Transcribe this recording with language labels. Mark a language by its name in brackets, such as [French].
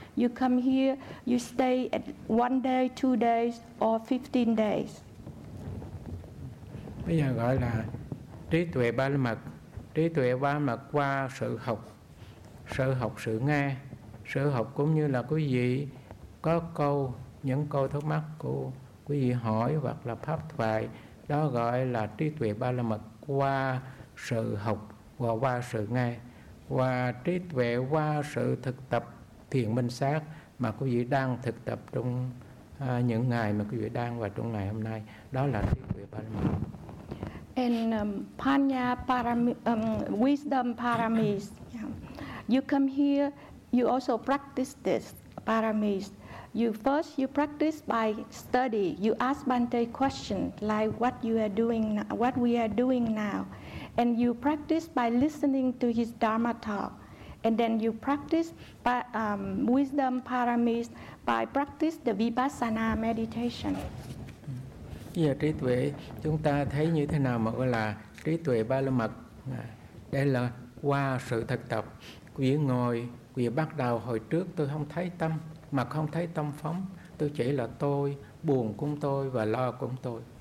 [English] You come here, you stay at 1 day, 2 days, or 15 days. [Vietnamese] Bây giờ gọi là trí tuệ ba la mật. Trí tuệ ba la mật qua sự học. Sở học sự nghe, sở học cũng như là quý vị có câu, những câu thắc mắc của quý vị hỏi hoặc là pháp thoại, đó gọi là trí tuệ ba la mật qua sự học và qua sự nghe. Và trí tuệ qua sự thực tập thiền minh sát mà quý vị đang thực tập trong những ngày mà quý vị đang và trong ngày hôm nay, đó là trí tuệ ba la mật. [English] And Panya Wisdom Paramis. You come here, you also practice this paramis. You practice by study. You ask Bhante question like what you are doing, what we are doing now. And you practice by listening to his Dharma talk. And then you practice wisdom paramis by practice the Vipassana meditation. [Vietnamese] Giờ trí tuệ chúng ta thấy như thế nào mà gọi là trí tuệ ba la mật? Đây là qua sự thực tập. Quý vị ngồi, quý vị bắt đầu hồi trước tôi không thấy tâm, mà không thấy tâm phóng. Tôi chỉ là tôi, buồn cũng tôi và lo cũng tôi.